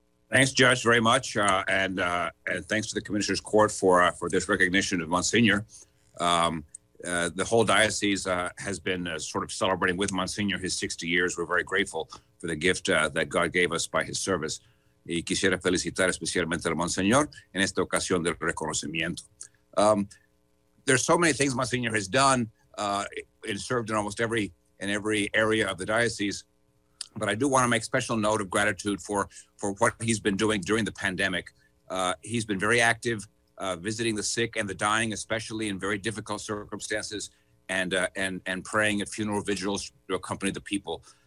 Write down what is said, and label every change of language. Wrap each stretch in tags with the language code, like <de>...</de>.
<en>Thanks, Judge, very much, and thanks to the Commissioners' Court for this recognition of Monsignor. The whole diocese has been sort of celebrating with Monsignor his 60 years. We're very grateful for the gift that God gave us by his service.</en> <es>Y quisiera felicitar especialmente al Monseñor en esta ocasión del reconocimiento.</es> <en>There's so many things Monseñor has done and served in almost every area of the diocese, but I do want to make special note of gratitude for what he's been doing during the pandemic. He's been very active, visiting the sick and the dying, especially in very difficult circumstances, and praying at funeral vigils to accompany the people.</en>